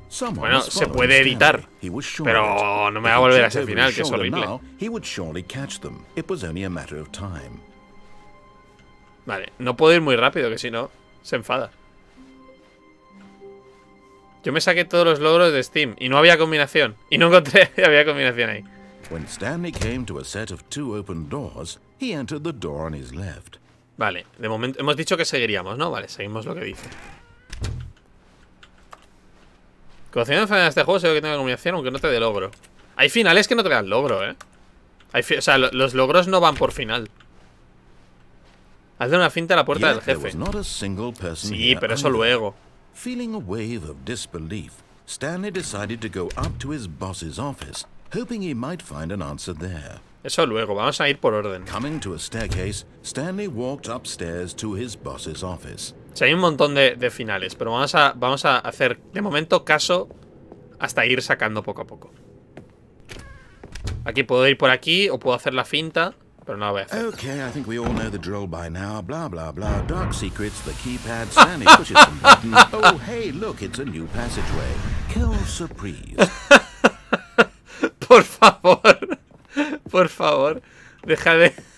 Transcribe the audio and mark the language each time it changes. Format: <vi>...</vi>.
<es>Bueno, se puede editar, pero no me va a volver a ese final, que es horrible.</es> <en>He would surely catch them. It was only a matter of time.</en> <es>Vale, no puedo ir muy rápido, que si no, se enfada. Yo me saqué todos los logros de Steam y no había combinación. Y no encontré que había combinación ahí.</es> <en>When Stanley came to a set of two open doors, he entered the door on his left.</en> <es>Vale, de momento hemos dicho que seguiríamos, ¿no? Vale, seguimos lo que dice. Conociendo el final de este juego, se ve que tengo combinación, aunque no te dé logro. Hay finales que no te dan logro, ¿eh? Los logros no van por final. Hazle una finta a la puerta del jefe. Sí, pero eso luego.</es> <en>Feeling a wave of disbelief, Stanley decided to go up to his boss's office, hoping he might find an answer there.</en> <es>Eso luego, vamos a ir por orden.</es> <en>Coming to a staircase, Stanley walked upstairs to his boss's office.</en> <es>O sea, hay un montón de finales, pero vamos a hacer de momento caso hasta ir sacando poco a poco. Aquí puedo ir por aquí o puedo hacer la finta, pero no la voy a hacer.</es> <en>Okay, I think we all know the drill by now. Blah blah blah. Dark secrets, the keypad, Stanley pushes some buttons. Oh, hey, look, it's a new passageway. Kill surprise.</en> <es>Por favor. Por favor, deja de...</es>